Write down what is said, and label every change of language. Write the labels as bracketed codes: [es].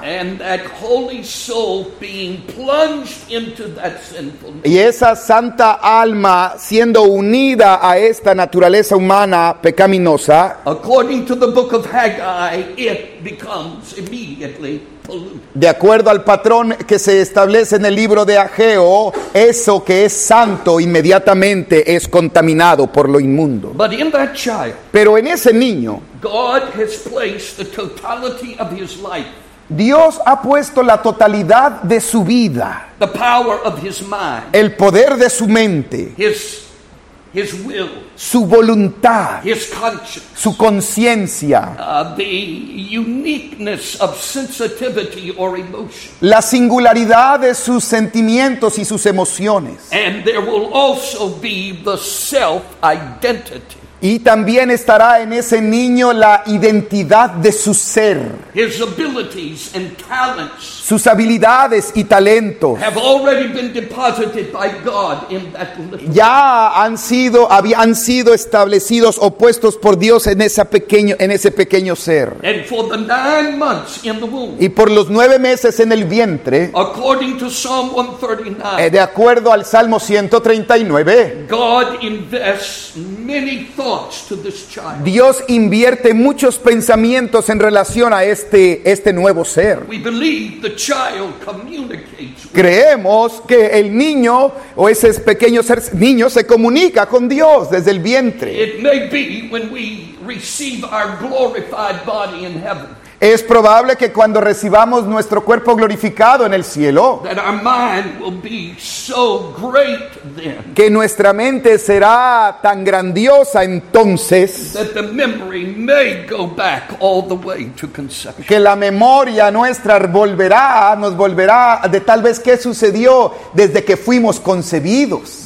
[en] and that holy soul being plunged into that sinful nature, [es] y esa santa alma siendo unida a esta naturaleza humana pecaminosa, [en] according to the book of Haggai, it becomes immediately polluted. [es] De acuerdo al patrón que se establece en el libro de Ageo, eso que es santo inmediatamente es contaminado por lo inmundo. [en] But in that child, [es] pero en ese niño, [en] God has placed the totality of his life. [es] Dios ha puesto la totalidad de su vida. [en] The power of his mind. [es] El poder de su mente. [en] His will. [es] Su voluntad. [en] His conscience. [es] Su conciencia. [en] The uniqueness of sensitivity or emotion. [es] La singularidad de sus sentimientos y sus emociones. [en] And there will also be the self-identity. [es] Y también estará en ese niño la identidad de su ser. [en] His abilities and talents. [es] Sus habilidades y talentos. [en] Have already been deposited by God in that little. [es] Ya han sido establecidos o puestos por Dios en ese pequeño ser. [en] And for the 9 months in the womb. [es] Y por los 9 meses en el vientre. [en] According to Psalm 139. [es] De acuerdo al Salmo 139. [en] God invests many thoughts. [es] Dios invierte muchos pensamientos en relación a este nuevo ser. [en] We believe the child communicates with. [es] Creemos que el niño o ese pequeño ser niño se comunica con Dios desde el vientre. [en] It may be when we receive our glorified body in heaven. [es] Es probable que cuando recibamos nuestro cuerpo glorificado en el cielo, [en] that our mind will be so great then, [es] que nuestra mente será tan grandiosa entonces, [en] that the memory may go back all the way to conception. [es] Que la memoria nuestra nos volverá de tal vez qué sucedió desde que fuimos concebidos.